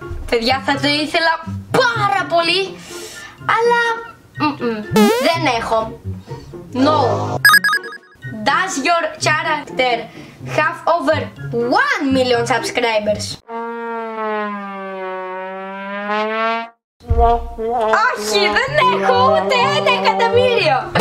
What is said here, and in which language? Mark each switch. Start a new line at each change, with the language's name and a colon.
Greek: Παιδιά, θα το ήθελα πάρα πολύ, αλλά δεν έχω.
English: No. Does your character have over 1 million subscribers?
Greek: Όχι, δεν έχω ούτε ένα εκατομμύριο!